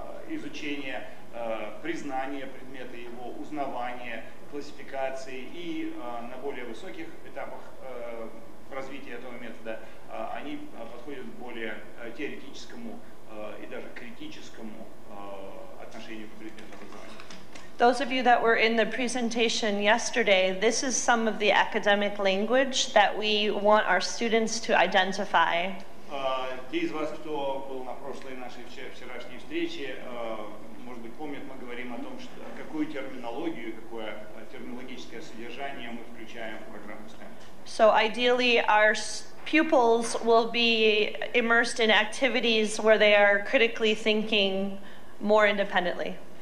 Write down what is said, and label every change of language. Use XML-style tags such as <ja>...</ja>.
<ru>Изучение, признание предмета его, узнавание, классификации и на более высоких этапах развития этого метода они подходят к более теоретическому и даже критическому отношению к предмету образования.</ru> <en>Those of you that were in the presentation yesterday, this is some of the academic language that we want our students to identify.</en> <ru>Те из вас, кто был на прошлой нашей вчерашней встрече, может быть, помнят, мы говорим о том, что, какую терминологию, какое терминологическое содержание мы включаем в программу STEM.</ru> <en>So ideally, our pupils will be immersed in activities where they are critically thinking more independently.</en>